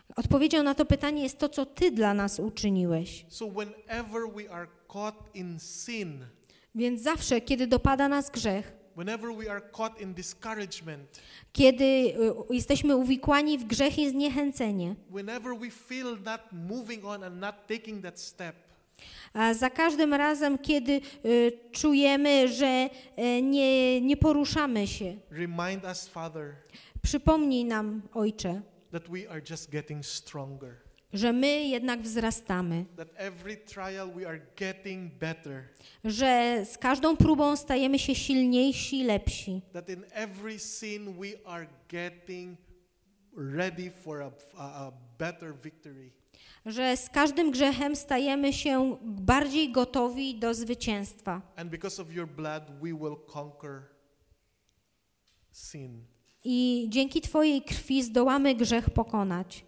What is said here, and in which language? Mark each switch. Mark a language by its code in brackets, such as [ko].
[pl] Odpowiedzią na to pytanie jest to, co Ty dla nas uczyniłeś. [en] So whenever we are caught in sin, [pl] więc zawsze, kiedy dopada nas grzech, [en] whenever we are caught in discouragement, [pl] kiedy jesteśmy uwikłani w grzech i zniechęcenie, [en] whenever we feel not moving on and not taking that step, [pl] a za każdym razem, kiedy czujemy, że nie poruszamy się, [en] remind us, Father, [pl] przypomnij nam, Ojcze, [en] that we are just getting stronger, [pl] że my jednak wzrastamy, [en] that every trial we are getting better, [pl] że z każdą próbą stajemy się silniejsi i lepsi, [en] that in every sin we are getting ready for a better victory. [pl] Że z każdym grzechem stajemy się bardziej gotowi do zwycięstwa. [en] And because of your blood we will conquer sin. [pl] I dzięki Twojej krwi zdołamy grzech pokonać.